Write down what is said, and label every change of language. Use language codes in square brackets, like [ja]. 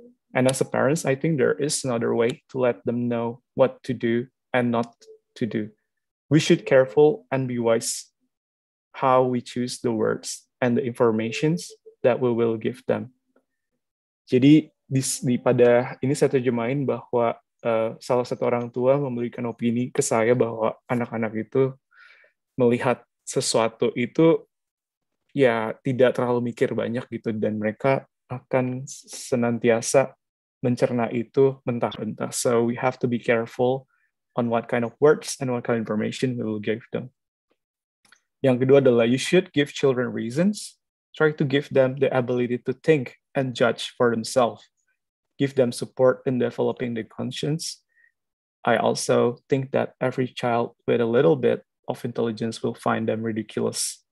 [en] And as a parents, I think there is another way to let them know what to do and not to do. We should careful and be wise how we choose the words and the informations that we will give them. [id] Jadi di pada ini saya terjemahin bahwa salah satu orang tua memberikan opini ke saya bahwa anak-anak itu melihat sesuatu itu ya tidak terlalu mikir banyak gitu, dan mereka akan senantiasa mencerna itu mentah-mentah. [en] So we have to be careful on what kind of words and what kind of information we will give them. [id] Yang kedua adalah [en] you should give children reasons. Try to give them the ability to think and judge for themselves. Give them support in developing their conscience. I also think that every child with a little bit of intelligence will find them ridiculous.